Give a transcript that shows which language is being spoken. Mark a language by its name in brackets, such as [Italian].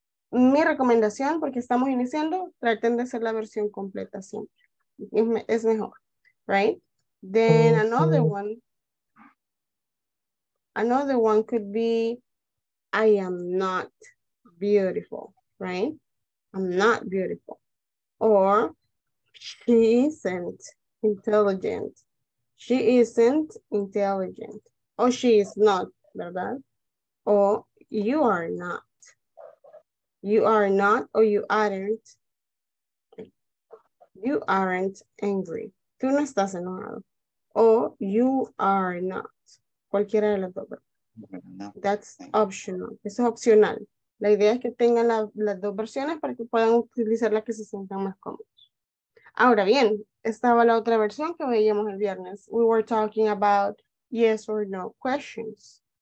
[Spanish] Mi recomendación, porque estamos iniciando, traten de hacer la versión completa siempre. Es mejor, right? [English] Then another one could be, I am not beautiful, right? I'm not beautiful. Or, she isn't intelligent. She isn't intelligent. Or, she is not, ¿verdad? Or, you are not. You are not, or you aren't. You aren't angry. [Spanish] Tú no estás enojado. O [English] you are not. [Spanish] Cualquiera de las dos. No. [English] That's optional. [Spanish] Eso es opcional. La idea es que tengan las dos versiones para que puedan utilizar la que se sientan más cómodos. Ahora bien, estaba la otra versión que veíamos el viernes. [English] We were talking about yes or no questions.